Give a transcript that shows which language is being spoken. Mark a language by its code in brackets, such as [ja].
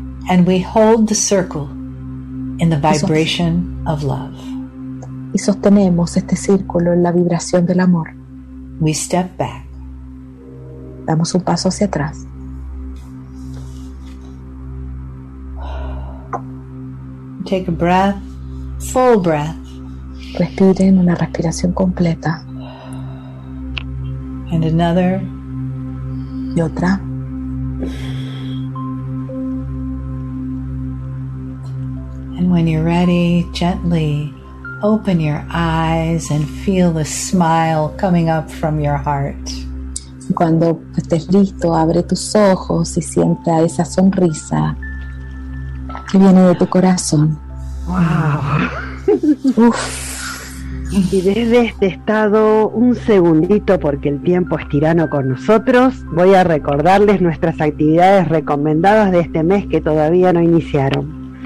[en] and we hold the circle in the vibration of love. [es] Y sostenemos este círculo en la vibración del amor. [en] We step back. [es] Damos un paso hacia atrás. [en] Take a breath, full breath. [es] Respiren una respiración completa. [en] And another. [es] Y otra. [en] And when you're ready, gently open your eyes and feel the smile coming up from your heart. [es] Cuando estés listo, abre tus ojos y sienta esa sonrisa que viene de tu corazón. Wow. Uf. Y desde este estado, un segundito, porque el tiempo es tirano con nosotros, voy a recordarles nuestras actividades recomendadas de este mes que todavía no iniciaron.